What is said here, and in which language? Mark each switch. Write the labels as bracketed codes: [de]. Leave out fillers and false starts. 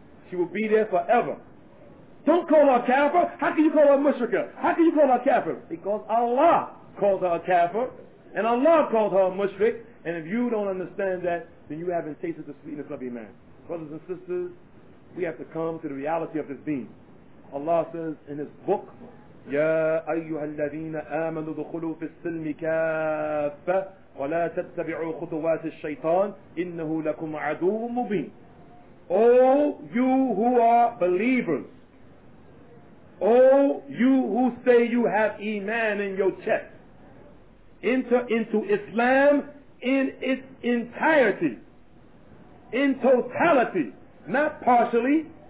[en] She will be there forever. Don't call her a kafir. How can you call her a mushrika? How can you call her a kafir? Because Allah calls her a kafir and Allah calls her a mushrik. And if you don't understand that, then you haven't tasted the sweetness of iman. Brothers and sisters, we have to come to the reality of this being. Allah says in His book, [ar] يَا أَيُّهَا الَّذِينَ آمَنُوا دُخُلُوا فِي السِّلْمِ كَافَّةً وَلَا تَتَّبِعُوا خُطُوَاتِ الشَّيْطَانِ إِنَّهُ لَكُمْ عَدُوٌ مُبِينٌ. [en] All you who are believers, all you who say you have iman in your chest, enter into Islam in its entirety, in totality, not partially.